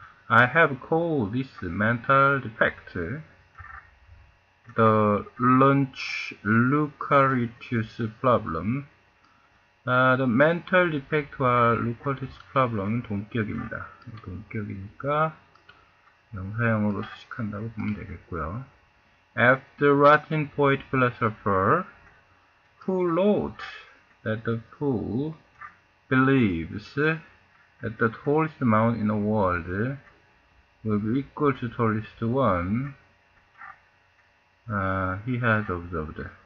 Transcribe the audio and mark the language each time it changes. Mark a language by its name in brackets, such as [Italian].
[English] I have called this mental defect the Lunch Lucaritius problem. The mental defect [Korean] 와 Lucaritius problem은 동격입니다. 동격이니까 명사형으로 수식한다고 보면 되겠고요. [English] After Latin poet philosopher who wrote that the fool believes that the tallest mountain in the world will be equal to the tallest one he has observed.